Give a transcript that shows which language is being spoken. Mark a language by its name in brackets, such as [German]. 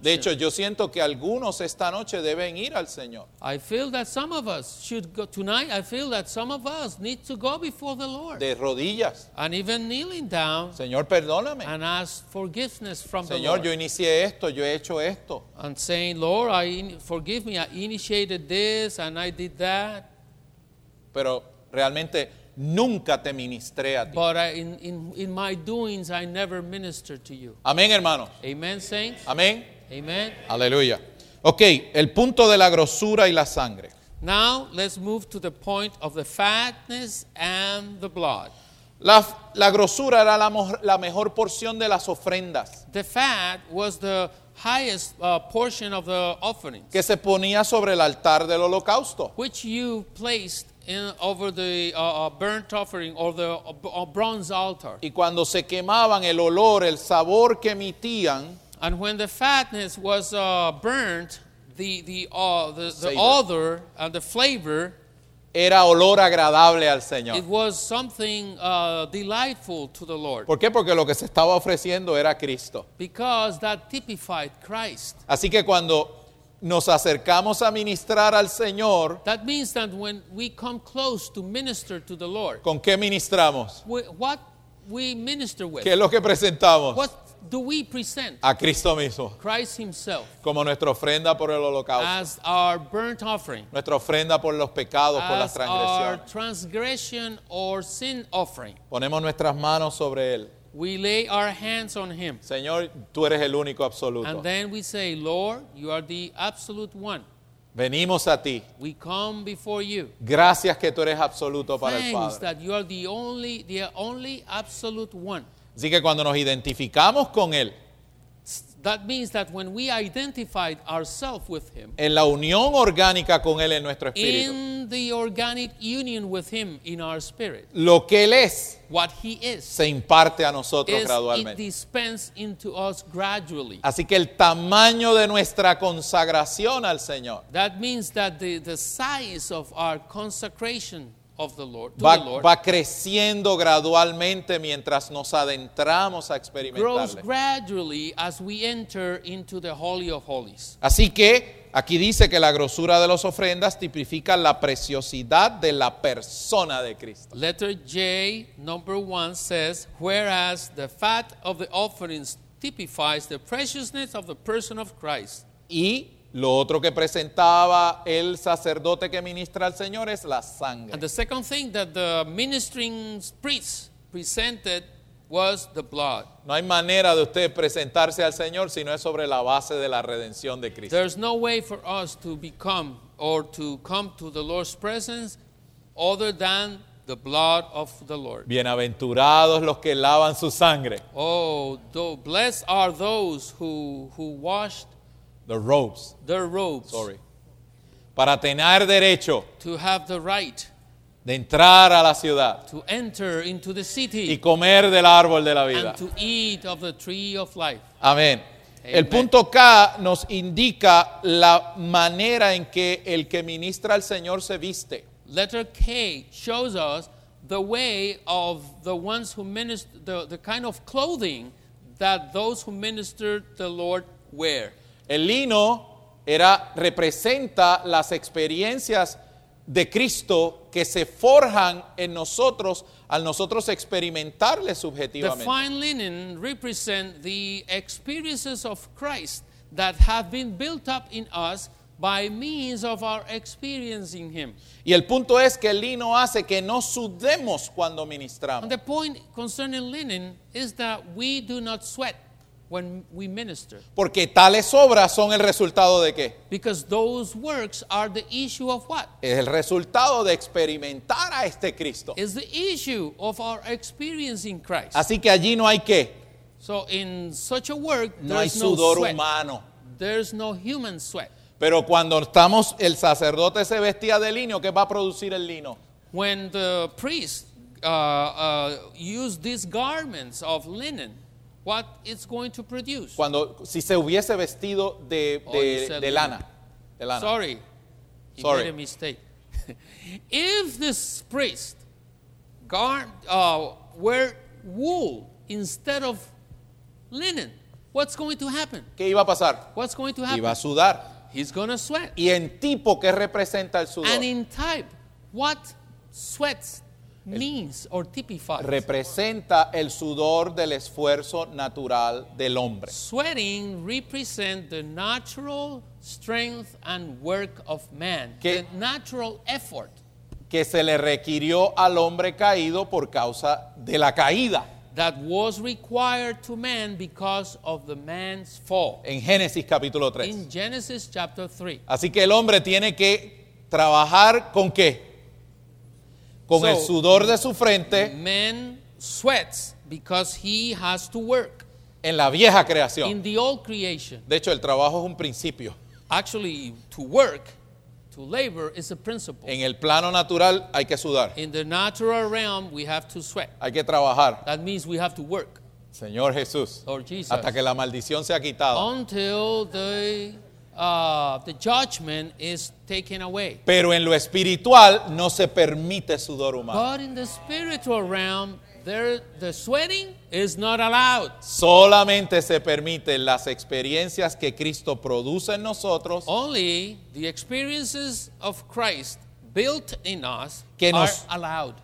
[Spanish] De hecho, yo siento que algunos esta noche deben ir al Señor. [English] I feel that some of us should go tonight. I feel that some of us need to go before the Lord. [Spanish] De rodillas. [English] And even kneeling down. [Spanish] Señor, perdóname. [English] And ask forgiveness from [Spanish] Señor, [English] the Lord. [Spanish] Señor, yo inicié esto, yo he hecho esto. [English] And saying, Lord, forgive me. I initiated this and I did that. [Spanish] Pero realmente nunca te ministré a ti. [English] But in my doings, I never ministered to you. [Spanish] Amén, hermanos. [English] Amen, saints. [Spanish] Amén. [English] Amen. [Spanish] Aleluya. Ok, el punto de la grosura y la sangre. [English] Now, let's move to the point of the fatness and the blood. [Spanish] La grosura era la mejor porción de las ofrendas. [English] The fat was the highest portion of the offerings. [Spanish] Que se ponía sobre el altar del holocausto. [English] Which you placed over the burnt offering or the bronze altar. [Spanish] Y cuando se quemaban, el olor, el sabor que emitían, [English] and when the fatness was burnt, the odor and the flavor [Spanish] era olor agradable al Señor. [English] It was something delightful to the Lord. [Spanish] ¿Por qué? Porque lo que se estaba ofreciendo era Cristo. [English] Because that typified Christ. [Spanish] Así que cuando nos acercamos a ministrar al Señor. [English] That means that when we come close to minister to the Lord. [Spanish] ¿Con qué ministramos? [English] What we minister with. [Spanish] ¿Qué es lo que presentamos? [English] What do we present? [Spanish] A Cristo mismo. [English] Christ himself. [Spanish] Como nuestra ofrenda por el holocausto. [English] As our burnt offering. [Spanish] Nuestra ofrenda por los pecados, [English] as [Spanish] por las transgresiones. [English] As our transgression or sin offering. [Spanish] Ponemos nuestras manos sobre él. [English] We lay our hands on him. [Spanish] Señor, tú eres el único absoluto. [English] And then we say, Lord, you are the absolute one. [Spanish] Venimos a ti. [English] We come before you. [Spanish] Gracias que tú eres absoluto [English] Thanks [Spanish] para el Padre. [English] Thanks that you are the only absolute one. [Spanish] Así que cuando nos identificamos con él, [English] That means that when we identified ourselves with him, [Spanish] en la unión orgánica con él en nuestro espíritu, [English] in the organic union with him in our spirit, [Spanish] lo que él es, [English] what he is, [Spanish] se imparte a nosotros [English] is [Spanish] gradualmente. [English] It dispenses into us gradually. [Spanish] Así que el tamaño de nuestra consagración al Señor, [English] that means that the size of our consecration of the Lord, [Spanish] va, [English] the Lord, [Spanish] va creciendo gradualmente mientras nos adentramos a experimentarle. [English] Grows gradually as we enter into the Holy of Holies. [Spanish] Así que aquí dice que la grosura de las ofrendas tipifica la preciosidad de la persona de Cristo. [English] Letter J, number one, says, whereas the fat of the offerings typifies the preciousness of the person of Christ. [Spanish] Y lo otro que presentaba el sacerdote que ministra al Señor es la sangre. [English] And the second thing that the ministering priest presented was the blood. [Spanish] No hay manera de usted presentarse al Señor si no es sobre la base de la redención de Cristo. [English] There's no way for us to become or to come to the Lord's presence other than the blood of the Lord. [Spanish] Bienaventurados los que lavan su sangre. [English] Oh, blessed are those who washed Their robes. Sorry. [Spanish] Para tener derecho. [English] To have the right. [Spanish] De entrar a la ciudad. [English] To enter into the city. [Spanish] Y comer del árbol de la vida. [English] And to eat of the tree of life. [Spanish] Amén. El punto K nos indica la manera en que el que ministra al Señor se viste. [English] Letter K shows us the way of the ones who minister, the kind of clothing that those who minister the Lord wear. [Spanish] El lino representa las experiencias de Cristo que se forjan en nosotros al nosotros experimentarle subjetivamente. [English] The fine linen represent the experiences of Christ that have been built up in us by means of our experiencing him. [Spanish] Y el punto es que el lino hace que no sudemos cuando ministramos. [English] And the point concerning linen is that we do not sweat when we minister. [Spanish] Porque tales obras son el resultado de qué? [English] Because those works are the issue of what? [Spanish] Es el resultado de experimentar a este Cristo. [English] Is the issue of our experiencing Christ. [Spanish] Así que allí no hay qué. [English] So in such a work, [Spanish] no hay sudor humano. [English] There's no human sweat. [Spanish] Pero cuando estamos, el sacerdote se vestía de lino, ¿qué va a producir el lino? [English] When the priest use these garments of linen, what it's going to produce. [Spanish] Cuando, si se hubiese vestido de lana. De lana. [English] Sorry. Sorry. Made a mistake. If this priest wear wool instead of linen, what's going to happen? [Spanish] ¿Qué iba a pasar? [English] What's going to happen? [Spanish] Iba a sudar. [English] He's going to sweat. [Spanish] ¿Y en tipo qué representa el sudor? [English] And in type, what sweats means or typifies. [Spanish] Representa el sudor del esfuerzo natural del hombre. [English] Sweating represents the natural strength and work of man. [Spanish] Que, [English] the natural effort. [Spanish] Que se le requirió al hombre caído por causa de la caída. [English] That was required to man because of the man's fall. [Spanish] En Génesis capítulo 3. [English] In Genesis chapter 3. [Spanish] Así que el hombre tiene que trabajar con qué? Con el sudor de su frente. [English] Man sweats because he has to work. [Spanish] En la vieja creación. [English] In the old creation. [Spanish] De hecho, el trabajo es un principio. [English] Actually, to work, to labor is a principle. [Spanish] En el plano natural hay que sudar. [English] In the natural realm, we have to sweat. [Spanish] Hay que trabajar. [English] That means we have to work. [Spanish] Señor Jesús. [English] Lord Jesus. [Spanish] Hasta que la maldición sea quitada. [English] Until the judgment is taken away. [Spanish] Pero en lo espiritual no se permite sudor humano. [English] But in the spiritual realm, the sweating is not allowed. [Spanish] Solamente se permiten las experiencias que Cristo produce en nosotros. [English] Only the experiences of Christ built in us are allowed.